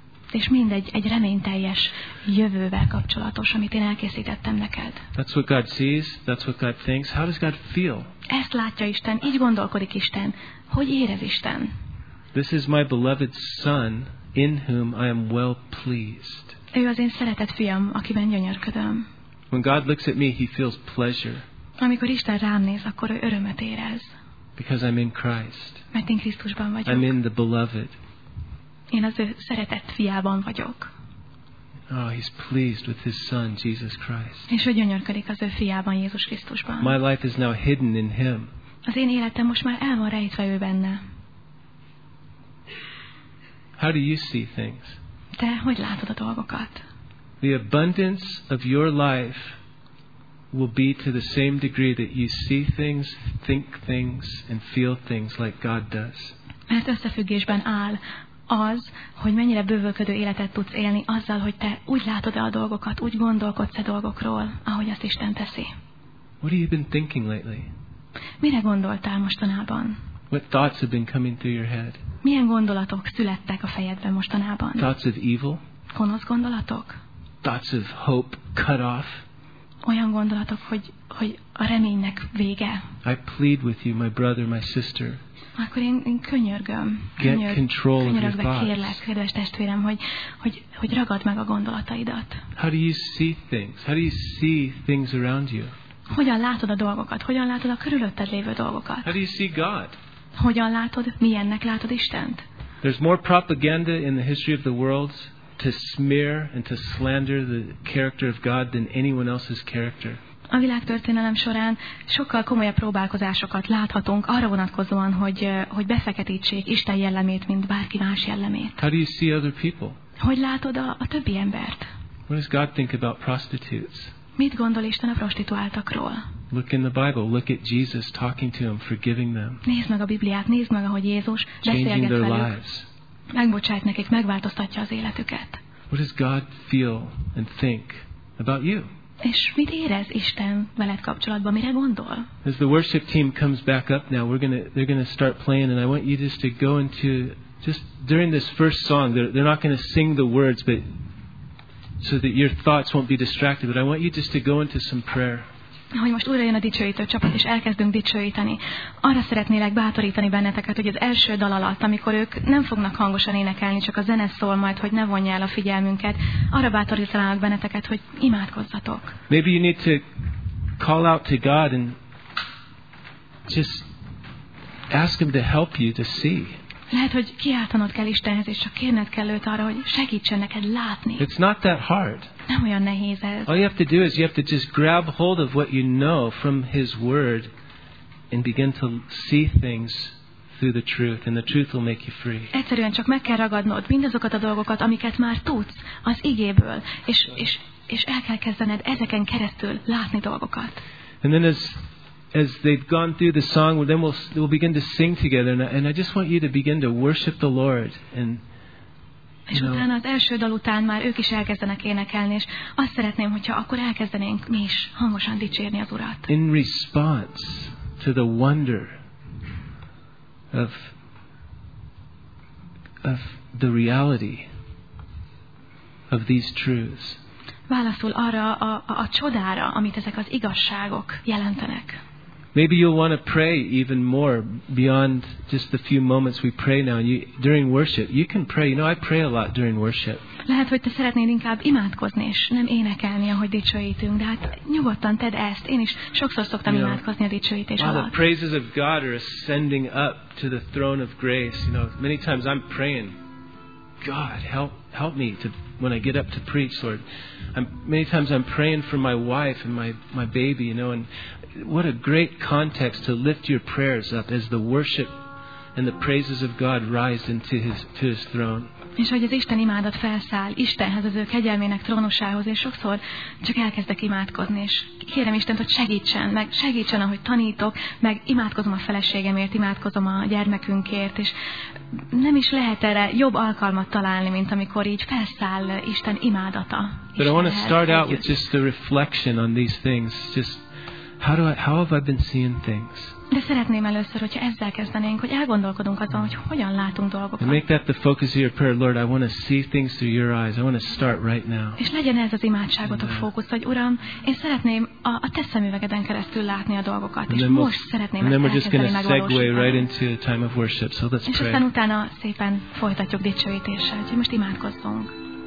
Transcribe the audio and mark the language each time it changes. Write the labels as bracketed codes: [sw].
[hu] És mindegy egy reményteljes jövővel kapcsolatos, amit én elkészítettem neked. [en] That's what God sees, that's what God thinks. How does God feel? [hu] Ezt látja Isten, így gondolkodik Isten. Hogy érez Isten? [en] This is my beloved Son, in whom I am well pleased. [hu] Ő az én szeretett fiam, akiben gyönyörködöm. [en] When God looks at me, he feels pleasure. [hu] Amikor Isten rám néz, akkor ő örömet érez. [en] Because I'm in Christ. [hu] Mert én Krisztusban vagyok. [en] I'm in the beloved. [hu] Én az ő szeretett fiában vagyok. [en] Oh, he's pleased with his Son, Jesus Christ. [hu] És ő gyönyörködik az ő fiában, Jézus Krisztusban. [en] My life is now hidden in him. [hu] Az én életem most már el van rejtve ő benne. [en] How do you see things? [hu] Te hogy látod a dolgokat? [en] The abundance of your life will be to the same degree that you see things, think things, and feel things like God does. [hu] Mert összefüggésben áll az, hogy mennyire bővölködő életet tudsz élni azzal, hogy te úgy látod a dolgokat, úgy gondolkodsz a dolgokról, ahogy azt Isten teszi. [en] What have you been thinking lately? [hu] Mire gondoltál mostanában? [en] What thoughts have been coming through your head? [hu] Milyen gondolatok születtek a fejedben mostanában? [en] Thoughts of evil? [hu] Gonosz gondolatok? [en] Thoughts of hope cut off? [hu] Olyan gondolatok, hogy a reménynek vége. [en] I plead with you, my brother, my sister. [hu] Akkor én könyörgök, kérlek, kedves testvérem, hogy ragadd meg a gondolataidat. [en] How do you see things? How do you see things around you? [hu] Hogyan látod a dolgokat? Hogyan látod a körülötted lévő dolgokat? [en] How do you see God? [hu] Hogyan látod, milyennek látod Istent? [en] There's more propaganda in the history of the world to smear and to slander the character of God than anyone else's character. [hu] A világtörténelem során sokkal komolyabb próbálkozásokat láthatunk arra vonatkozóan, hogy befeketítsék Isten jellemét, mint bárki más jellemét. [en] How do you see other people? [hu] Hogy látod a többi embert? [en] What does God think about prostitutes? [hu] Mit gondol Isten a prostituáltakról? [en] Look in the Bible. Look at Jesus talking to them, forgiving them. [hu] Nézd meg a Bibliát, nézd meg, ahogy Jézus beszélget velük. Megbocsájt nekik, megváltoztatja az életüket. [en] What does God feel and think about you? [hu] És mit érez Isten veled kapcsolatban, mire gondol? [en] As the worship team comes back up now, they're gonna start playing, and I want you just to go into just during this first song. They're not gonna sing the words, but so that your thoughts won't be distracted. But I want you just to go into some prayer. [hu] Ahogy most újra jön a dicsőítő csapat, és elkezdünk dicsőíteni, arra szeretnélek bátorítani benneteket, hogy az első dal alatt, amikor ők nem fognak hangosan énekelni, csak a zene szól majd, hogy ne vonja el a figyelmünket, arra bátorítanak benneteket, hogy imádkozzatok. [en] Maybe you need to call out to God and just ask him to help you to see. [hu] Lehet, hogy kiáltanod kell Istenhez, és csak kérned kell őt arra, hogy segítsen neked látni. [en] It's not that hard. [hu] Nem olyan nehéz ez. [en] All you have to do is you have to just grab hold of what you know from his word and begin to see things through the truth, and the truth will make you free. [hu] Egyszerűen csak meg kell ragadnod mindazokat a dolgokat, amiket már tudsz az igéből, és el kell kezdened ezeken keresztül látni dolgokat. [en] And then as they've gone through the song, then we'll begin to sing together, and I just want you to begin to worship the Lord. And [hu] és utána az első dal után már ők is elkezdenek énekelni, és azt szeretném, hogyha akkor elkezdenénk mi is hangosan dicsérni az Urat. [en] In response to the wonder of the reality of these truths. [hu] Válaszul arra a csodára, amit ezek az igazságok jelentenek. [en] Maybe you'll want to pray even more beyond just the few moments we pray now. You, during worship, you can pray. You know, I pray a lot during worship. [hu] Lehet, hogy te szeretnéd inkább imádkozni, és nem énekelni, ahogy dicsőítünk, de hát nyugodtan tedd ezt. Én is sokszor szoktam imádkozni a dicsőítés alatt. [en] The praises of God are ascending up to the throne of grace. You know, many times I'm praying, God, help me to when I get up to preach, Lord. Many times I'm praying for my wife and my baby, you know, and what a great context to lift your prayers up as the worship and the praises of God rise into his throne. [hu] És hogy az Isten imádat felszáll Istenhez, az ő kegyelmének trónusához, és sokszor csak elkezdek imádkozni, és kérem Istent, hogy segítsen, meg segítsen, ahogy tanítok, meg imádkozom a feleségemért, imádkozom a gyermekünkért, és nem is lehet erre jobb alkalmat találni, mint amikor így felszáll Isten imádata. [en] But I want to start out with just the reflection on these things, just how have I been seeing things? [hu] De szeretném először, hogyha ezzel kezdenénk, hogy elgondolkodunk azon, hogy hogyan látunk dolgokat. [en] And make that the focus of your prayer, Lord. I want to see things through your eyes. I want to start right now. [hu] És legyen ez az imádságotok fókusz, hogy Uram, én szeretném a te szemüvegeden keresztül látni a dolgokat, és most szeretném ezt elkezdeni megvalósítani. [en] Right time of worship, so let's pray. [hu] És aztán utána szépen folytatjuk dicsőítéssel, úgyhogy most imádkozzunk.